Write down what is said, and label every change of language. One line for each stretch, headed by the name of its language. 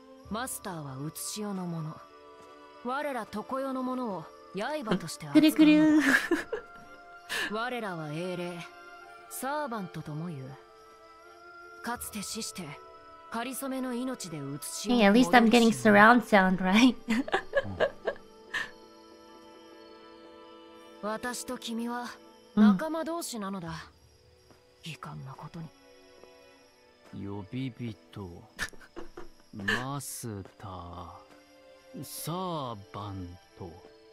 Japanese: マスターはうつしおの者。我ら常世の者を刃として扱うのだ。くるくる。我らは英霊、サーヴァントとも言う。かつて死して、かりそめの命で移し。
English: Hey, at least I'm getting surround sound, right?
Japanese: 私と君は仲間同士なのだ。遺憾なことに。呼び人、マスター、サーヴァント。